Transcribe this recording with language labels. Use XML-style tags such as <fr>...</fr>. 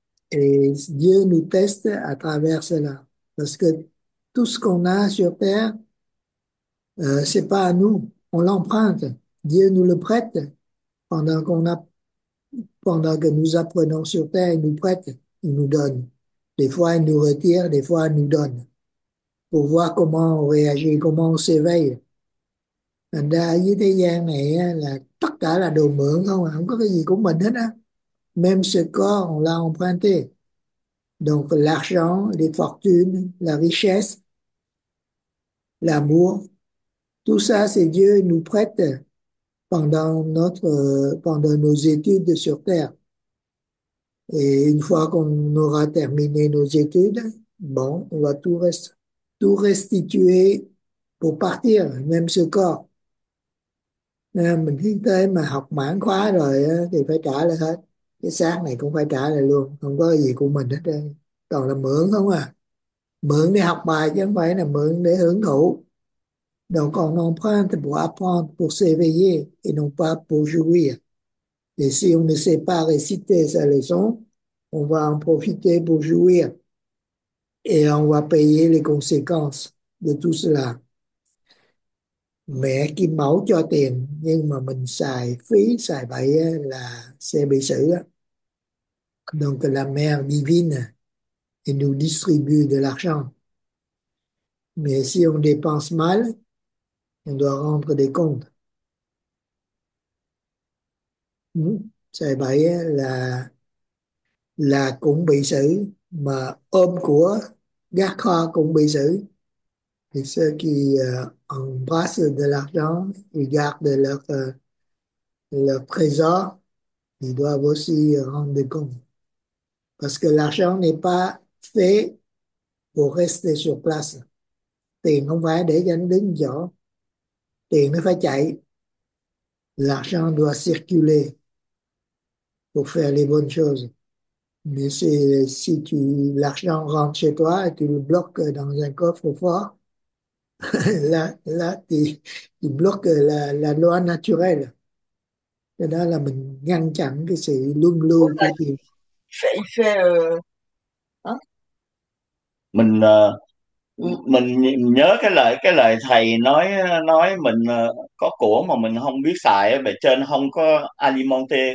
<fr>Et Dieu nous teste à travers cela. Parce que tout ce qu'on a sur Terre, ce n'est pas à nous. On l'emprunte. Dieu nous le prête pendant que nous apprenons sur Terre, il nous prête, il nous donne. Des fois, il nous retire, des fois, il nous donne. Pour voir comment on réagit, comment on s'éveille.</fr> <vi>Thành ra dưới thế gian này là tất cả là đồ mượn không, không có cái gì của mình hết á.</vi> <fr>Même ce corps, on l'a emprunté. Donc l'argent, les fortunes, la richesse, l'amour, tout ça, c'est Dieu qui nous prête pendant nos études sur Terre. Et une fois qu'on aura terminé nos études, bon, on va tout restituer pour partir, même ce corps.</fr> <vi>Mình thiên tế mà học mãn khóa rồi thì phải trả lại hết. Cái xác này cũng phải trả lại luôn. Không có gì của mình hết đây. Toàn là mượn không à. Mượn để học bài chứ không phải là mượn để hưởng thụ.</vi> <fr>Donc on emprunte pour apprendre, pour s'éveiller et non pas pour jouir. Et si on ne sait pas réciter sa leçon, on va en profiter pour jouir. Et on va payer les conséquences de tout cela.</fr> <vi>Mẹ kim mẫu cho tiền nhưng mà mình xài phí xài bậy là sẽ bị xử.</vi> <fr>Donc la mère divine elle nous distribue de l'argent. Mais si on dépense mal, on doit rendre des comptes.</fr> <vi>Xài bậy là cũng bị xử, mà ôm của gác kho cũng bị xử.</vi> <fr>Thì ceux qui embrassent de l'argent, ils gardent leur trésor, ils doivent aussi rendre des comptes. Parce que l'argent n'est pas fait pour rester sur place.</fr> <vi>Tiền không phải để dành đứng chỗ. Tiền nó phải chạy.</vi> <fr>L'argent doit circuler pour faire les bonnes choses. Mais si l'argent rentre chez toi et tu le bloques dans un coffre-fort, là tu bloques la loi naturelle.</fr> <vi>Cho nên là mình ngăn chặn cái sự luân lưu của tiền. Mình nhớ cái lời thầy nói mình có của mà mình không biết xài, bề trên không có alimente,</vi>